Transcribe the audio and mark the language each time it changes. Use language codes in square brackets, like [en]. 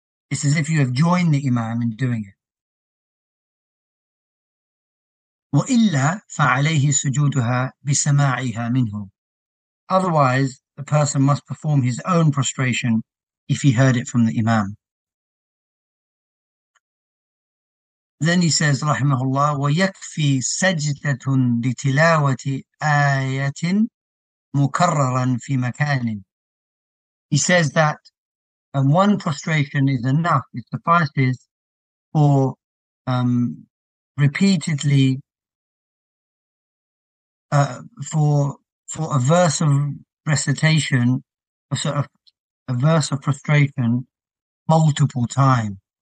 [en] It's as if you have joined the imam in doing it. [ar] وَإِلَّا فَعَلَيْهِ سُجُودُهَا بِسَمَاعِهَا مِنْهُ. [en] Otherwise, the person must perform his own prostration if he heard it from the imam. Then he says, [ar] رحمه الله, وَيَكْفِي سَجْدَةٌ لِتِلَاوَةِ آيَةٍ مُكَرَّرًا فِي مَكَانٍ. [en] He says that one prostration is enough, it suffices for repeatedly for a verse of recitation, a verse of prostration, multiple times.